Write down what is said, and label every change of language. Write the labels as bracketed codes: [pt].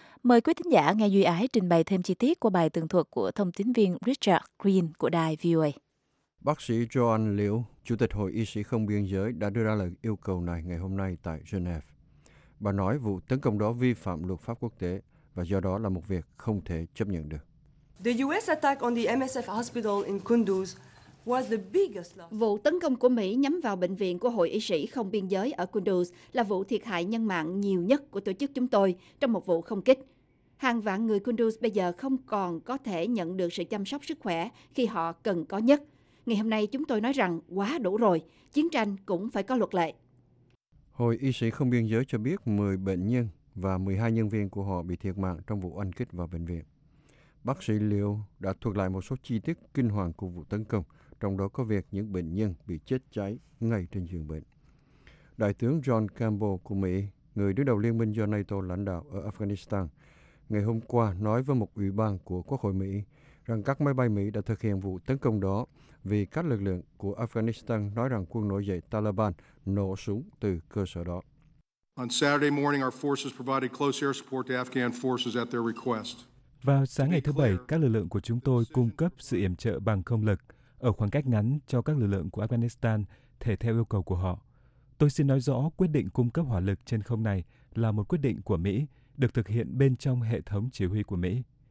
[vi] Mời quý thính giả nghe Duy Ái trình bày thêm chi tiết qua bài tường thuật của thông tín viên Richard Green của đài VOA. Bác sĩ Joan Liễu, Chủ tịch Hội Y sĩ Không Biên Giới đã đưa ra lời yêu cầu này ngày hôm nay tại Geneva. Bà nói vụ tấn công đó vi phạm luật pháp quốc tế và do đó là một việc không thể chấp nhận được. [en] The US attack on the MSF hospital in Kunduz was the biggest loss. [vi] Vụ tấn công của Mỹ nhắm vào bệnh viện của Hội Y sĩ Không Biên Giới ở Kunduz là vụ thiệt hại nhân mạng nhiều nhất của tổ chức chúng tôi trong một vụ không kích. Hàng vạn người Kunduz bây giờ không còn có thể nhận được sự chăm sóc sức khỏe khi họ cần có nhất. Ngày hôm nay chúng tôi nói rằng quá đủ rồi, chiến tranh cũng phải có luật lệ. Hội Y sĩ Không Biên Giới cho biết 10 bệnh nhân và 12 nhân viên của họ bị thiệt mạng trong vụ oanh kích vào bệnh viện. Bác sĩ Liễu đã thuật lại một số chi tiết kinh hoàng của vụ tấn công, trong đó có việc những bệnh nhân bị chết cháy ngay trên giường bệnh. Đại tướng John Campbell của Mỹ, người đứng đầu liên minh do NATO lãnh đạo ở Afghanistan, ngày hôm qua nói với một ủy ban của Quốc hội Mỹ rằng các máy bay Mỹ đã thực hiện vụ tấn công đó vì các lực lượng của Afghanistan nói rằng quân nổi dậy Taliban nổ súng từ cơ sở đó. [en] On Saturday morning, our forces provided close air support to Afghan forces at their request. [vi] Vào sáng ngày thứ Bảy, các lực lượng của chúng tôi cung cấp sự yểm trợ bằng không lực ở khoảng cách ngắn cho các lực lượng của Afghanistan thể theo yêu cầu của họ. Tôi xin nói rõ quyết định cung cấp hỏa lực trên không này là một quyết định của Mỹ được thực hiện bên trong hệ thống chỉ huy của Mỹ.